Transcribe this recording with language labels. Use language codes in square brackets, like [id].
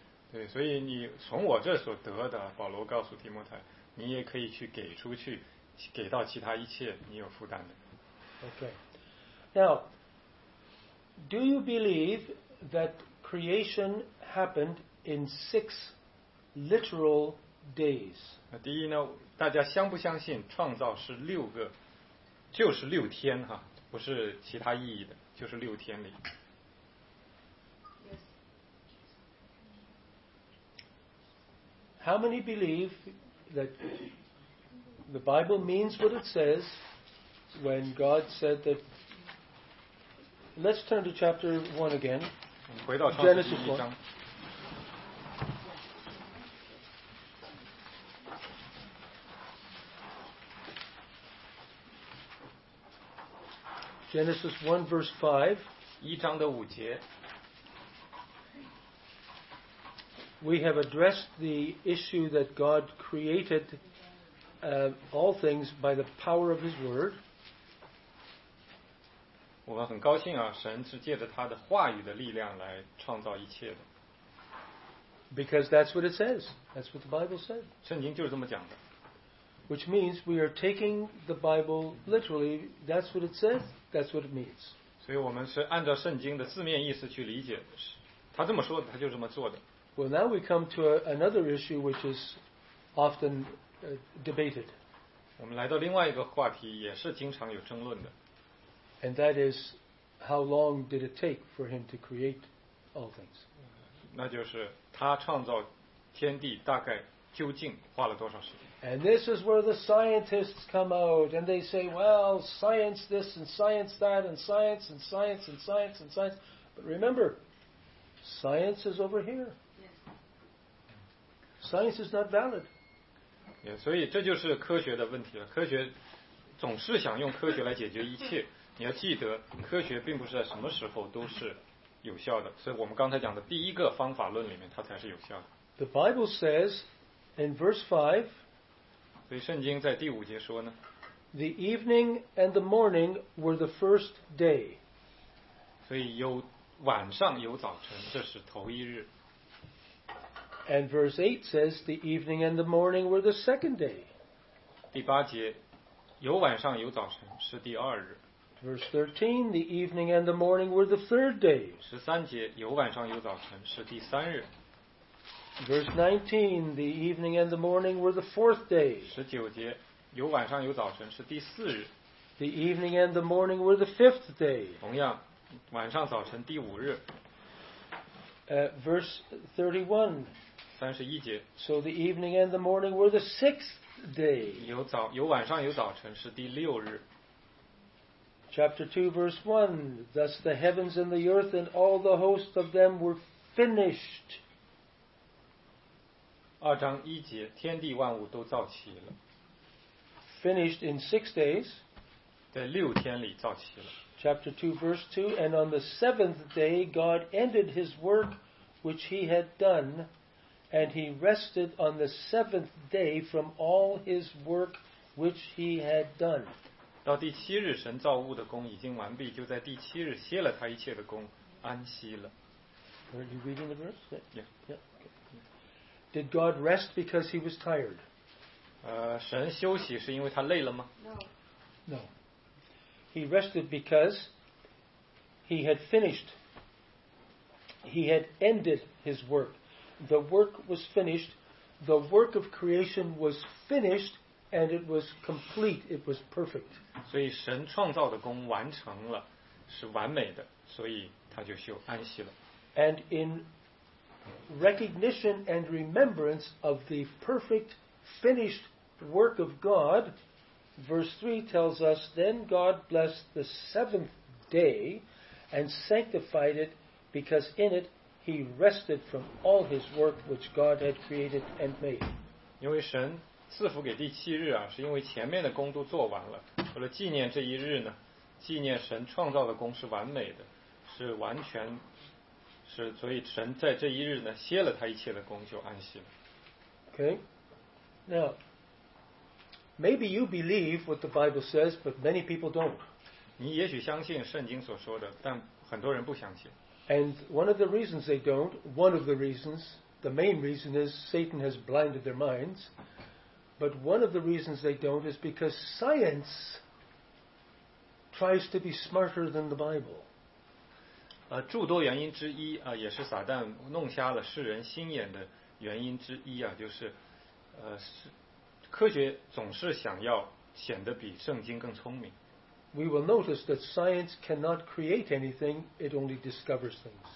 [zh] 对，所以你从我这所得的，保罗告诉提摩太，你也可以去给出去，给到其他一切你有负担的。 [en] Okay. Now,Do you believe that creation happened in six literal days? [zh] 第一呢，大家相不相信创造是六个，就是六天哈，不是其他意义的，就是六天里。 [en] Yes. How many believe that the Bible means what it says when God said that? Let's turn to chapter 1 again. Genesis 1. Genesis 1 verse 5. [zh] 一章的五节。 [en] We have addressed the issue that God created all things by the power of His word. [zh] 我们很高兴啊，神是借着他的话语的力量来创造一切的。 [en] Because that's what it says. That's what the Bible said. [zh] 圣经就是这么讲的。 [en] Which means we are taking the Bible literally. That's what it says. That's what it means. [zh] 所以我们是按照圣经的字面意思去理解，他这么说的，他就这么做的。 [en] Well, now we come to another issue which is often debated. [zh] 我们来到另外一个话题，也是经常有争论的。 [en] And that is, how long did it take for him to create all things? [zh] 那就是他创造天地大概究竟花了多少时间。 [en] And this is where the scientists come out, and they say, well, science this and science that, and science and science and science and science. But remember, science is over here. Science is not valid. [zh] Yeah, 所以这就是科学的问题了。科学总是想用科学来解决一切。你要记得，科学并不是在什么时候都是有效的。所以我们刚才讲的第一个方法论里面，它才是有效的。 [en] The Bible says in verse 5, [zh] 所以圣经在第五节说呢， [en] The evening and the morning were the first day. [zh] 所以有晚上有早晨，这是头一日。 [en] And verse 8 says the evening and the morning were the second day. [zh] 第八节，有晚上有早晨是第二日。 [en] Verse 13, the evening and the morning were the third day. [zh] 13节，有晚上有早晨是第三日。 [en] Verse 19, the evening and the morning were the fourth day. [zh] 19节，有晚上有早晨是第四日。 [en] The evening and the morning were the fifth day. [zh] 同样，晚上早晨第五日。 [en] Verse 31 [zh] 节。 [en] So the evening and the morning were the sixth day. [zh] 有晚上有早晨是第六日。 [en] Chapter 2, verse 1, Thus the heavens and the earth and all the host of them were finished. [zh] 二章一节，天地万物都造齐了。 [en] Finished in 6 days. [zh] 在六天里造齐了。 [en] Chapter 2, verse 2, And on the seventh day, God ended his work which he had done, and he rested on the seventh day from all his work which he had done. [zh] 到第七日，神造物的工已经完毕，就在第七日歇了他一切的工，安息了。 [en] Are you reading the verse? Yeah. Did God rest because he was tired? [zh] 神休息是因为他累了吗？ [en] No. He rested because he had finished He had ended his work. The work was finished. The work of creation was finished, and it was complete. It was perfect. [zh] 所以神创造的工完成了，是完美的，所以他就休安息了。 [en] And in recognition and remembrance of the perfect, finished work of God, verse 3 tells us, then God blessed the seventh day and sanctified it, because in it he rested from all his work which God had created and made. [zh] 因为神赐福给第七日啊，是因为前面的工都做完了，为了纪念这一日呢，纪念神创造的工是完美的，是完全，是所以神在这一日呢歇了他一切的工就安息了。 [en] Okay, now maybe you believe what the Bible says, but many people don't. [zh] 你也许相信圣经所说的，但很多人不相信。 [en] And one of the reasons they don't, one of the reasons, the main reason is Satan has blinded their minds. But one of the reasons they don't is because science tries to be smarter than the Bible. [zh] 诸多原因之一啊，也是撒旦弄瞎了世人心眼的原因之一啊，就是科学总是想要显得比圣经更聪明。 [en] We will notice that science cannot create anything, it only discovers things.